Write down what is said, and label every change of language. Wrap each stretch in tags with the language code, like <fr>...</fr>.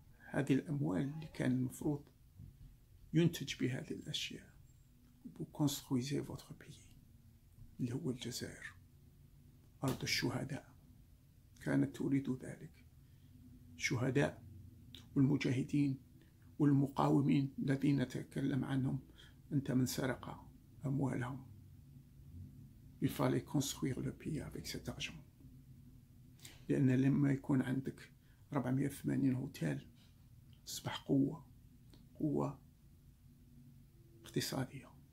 <ar>هذه الأموال اللي كان المفروض ينتج بهذه الأشياء</ar> <fr>وكونستخويزي فوتر بيي</fr> <ar>اللي هو الجزائر، أرض الشهداء، كانت تريد ذلك، شهداء والمجاهدين والمقاومين الذين تكلم عنهم أنت من سرق أموالهم.</ar> <fr>Il fallait construire le pays avec cet argent.</fr> <ar>لأن لما يكون عندك 480 هوتيل تصبح قوة، قوة اقتصادية.</ar>